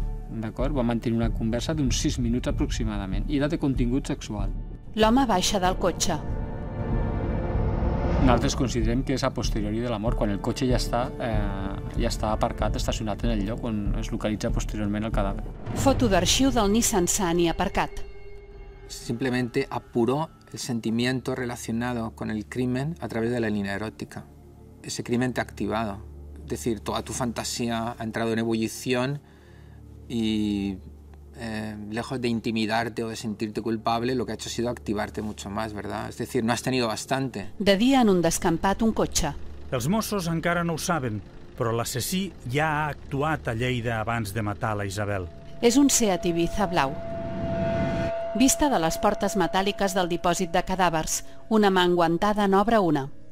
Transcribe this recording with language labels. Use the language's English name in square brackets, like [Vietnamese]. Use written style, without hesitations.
[Catalan] D'acord? Va mantenir una conversa d'uns 6 minuts aproximadament. I era de contingut sexual. L'home baixa del cotxe. Nosaltres considerem que és a posteriori de la mort, quan el cotxe ja està aparcat, estacionat en el lloc on es localitza posteriorment el cadàver. Foto d'arxiu del Nissan Sunny aparcat. [Spanish] Simplemente apuró el sentimiento relacionado con el crimen a través de la línea erótica. Ese crimen te ha activado. Es decir, toda tu fantasía ha entrado en ebullición y lejos de intimidarte o de sentirte culpable, lo que ha hecho ha sido activarte mucho más, ¿verdad? Es decir, no has tenido bastante. [Catalan] De dia en un descampat un cotxe. Els Mossos encara no ho saben, però l'assassí ja ha actuat a Lleida abans de matar la Isabel. És un Seat Ibiza blau. Vista de les portes metàl·liques del dipòsit de cadàvers, una mà enguantada n'obre una.